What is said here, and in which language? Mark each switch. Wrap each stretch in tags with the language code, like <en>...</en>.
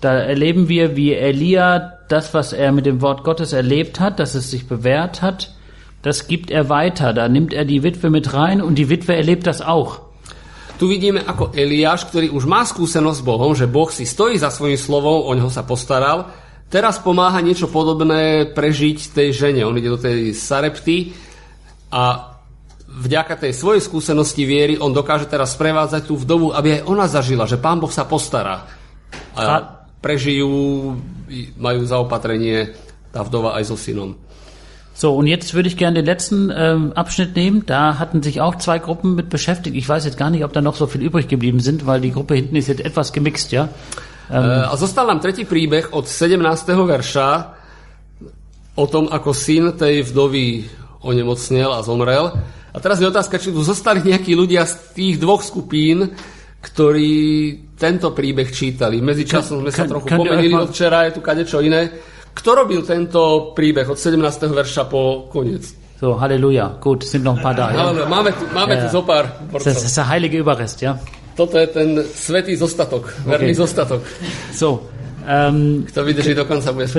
<de>Da erleben wir, wie Elia das, was er mit dem Wort Gottes erlebt hat, dass es sich bewährt hat, das gibt er weiter. Da nimmt er die Witwe mit rein und die Witwe erlebt das auch.</de> <sk>Tu vidíme, ako Eliáš, ktorý už má skúsenosť s Bohom, že Boh si stojí za svojím slovom, o neho sa postaral, teraz pomáha niečo podobné prežiť tej žene. On ide do tej Sarepty a vďaka tej svojej skúsenosti viery on dokáže teraz sprevádzať tú vdovu, aby aj ona zažila, že Pán Boh sa postará. A prežijú, majú zaopatrenie tá vdova aj so synom.</sk> <de>So, und jetzt würde ich gerne den letzten Abschnitt nehmen. Da hatten sich auch zwei Gruppen mit beschäftigt. Ich weiß jetzt gar nicht, ob da noch so viel übrig geblieben sind, weil die Gruppe hinten ist jetzt etwas gemixt, ja?</de> <sk>A zostal nám tretí príbeh od 17. verša o tom, ako syn tej vdovy onemocnel a zomrel. A teraz je otázka, či tu zostali nejakí ľudia z tých dvoch skupín, ktorí tento príbeh čítali. Medzičasom sme sa trochu pomenili od včera, je tu kadečo iné. Kto robil tento príbeh od 17. verša po koniec?</sk> <de>So, halleluja. Gut, sind noch ein paar da.</de> <sk>Ja. Máme tu zopár.</sk> <de>Das ist der heilige Überrest, ja?</de> <sk>Toto je ten svätý zostatok, verný okay. Zostatok. So, kto vydrží do konca, bude spasený.</sk>